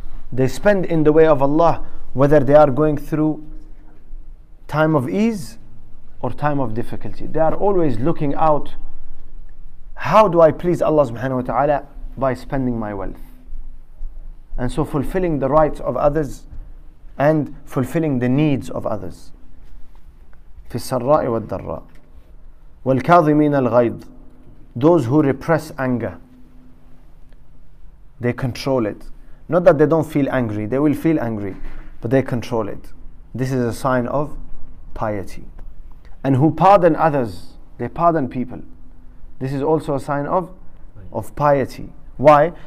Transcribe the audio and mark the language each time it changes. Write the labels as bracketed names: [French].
[English] They spend in the way of Allah, whether they are going through time of ease or time of difficulty. They are always looking out, how do I please Allah subhanahu wa ta'ala by spending my wealth? And so fulfilling the rights of others and fulfilling the needs of others. [Arabic] في السراء والدراء والكاظمين الغيظ. [English] Those who repress anger, they control it. Not that they don't feel angry, they will feel angry, but they control it. This is a sign of piety. And who pardon others, they pardon people. This is also a sign of piety. Why?